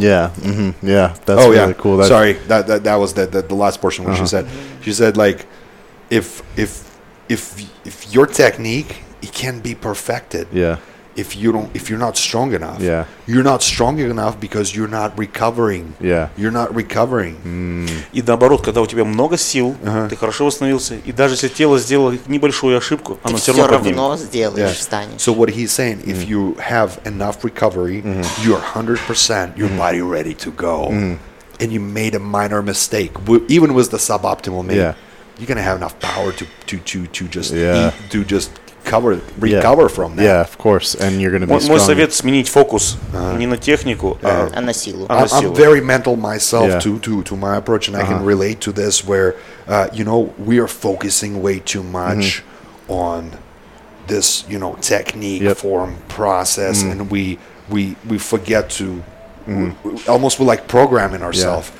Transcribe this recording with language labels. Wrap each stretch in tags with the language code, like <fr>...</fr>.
<en>Yeah. Mm-hmm. Yeah. That's really cool. Sorry. That was the last portion of what she said. Mm-hmm. She said, like, if your technique, it can be perfected. Yeah. If you're not strong enough. Yeah. You're not strong enough because you're not recovering. Yeah. You're not recovering.</en> <ru>И наоборот, когда у тебя много сил, ты хорошо восстановился, и даже если тело сделало небольшую ошибку, оно всё равно сделаешь, встанешь.</ru> <en>So what he's saying, if you have enough recovery, you're 100%, your body ready to go. And you made a minor mistake, even with the suboptimal meal. Yeah. You're going to have enough power to just recover from that. Yeah, of course. And you're going to be strong.</en> <ru>Мой совет – сменить фокус не на технику, а на силу.</ru> <en>I'm very mental myself to my approach, and I can relate to this where, you know, we are focusing way too much on this, you know, technique, form, process, and we forget to almost like programming ourselves.</en>